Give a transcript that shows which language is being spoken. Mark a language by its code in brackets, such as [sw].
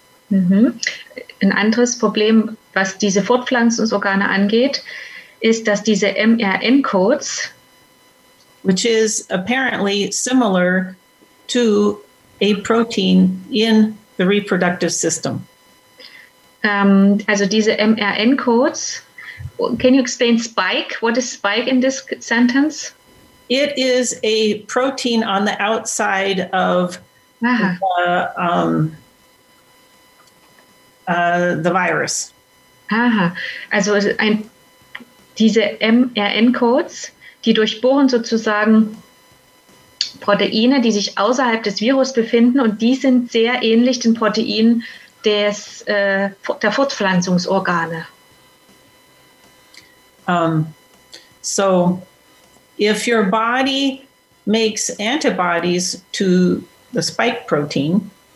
[de] Mm-hmm. Ein anderes Problem, was diese Fortpflanzungsorgane angeht, ist, dass diese mRNA-Codes, [en] which is apparently similar to a protein in the reproductive system. [de] Also diese mRNA-Codes, [en] can you explain spike? What is spike in this sentence? It is a protein on the outside of the virus. [de] Aha, also diese mRNA-Codes, die durchbohren sozusagen Proteine, die sich außerhalb des Virus befinden, und die sind sehr ähnlich den Proteinen der Fortpflanzungsorgane. [en] So, if your body makes antibodies to the spike protein,